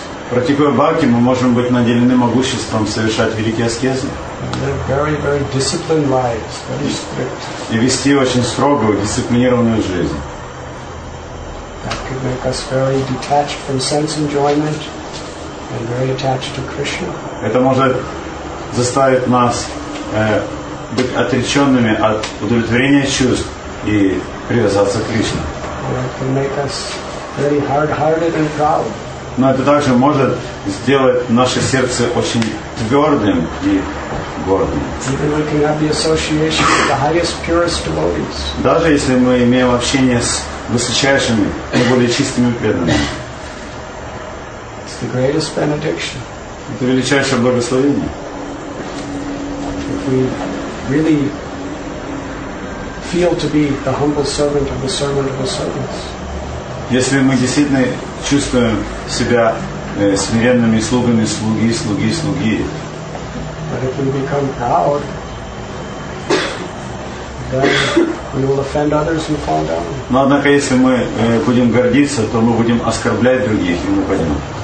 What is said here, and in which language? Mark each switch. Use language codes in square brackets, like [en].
[ru] Практикуя бхакти, мы можем быть наделены могуществом совершать великие аскезы. [en] Very, very disciplined lives, very strict. [ru] И вести очень строгую, дисциплинированную жизнь. [en] That could make us very detached from sense enjoyment and very attached to Krishna. [ru] Это может заставить нас быть отреченными от удовлетворения чувств и привязаться к Кришне. [en] That could make us very hard-hearted and proud. [ru] Но это также может сделать наше сердце очень твердым и гордым. [en] Even we can have the association with the highest, purest devotees. [ru] Даже если мы имеем общение с высочайшими, наиболее чистыми преданными. [en] It's the greatest benediction. [ru] Это величайшее благословение. [en] If we really feel to be the humble servant of the servant of the servants. [ru] Если мы действительно чувствуем себя смиренными слугами, слуги, слуги, слуги. [en] But if we become proud, then we will offend others and fall down. [ru] Но однако, если мы будем гордиться, то мы будем оскорблять других, и мы упадем.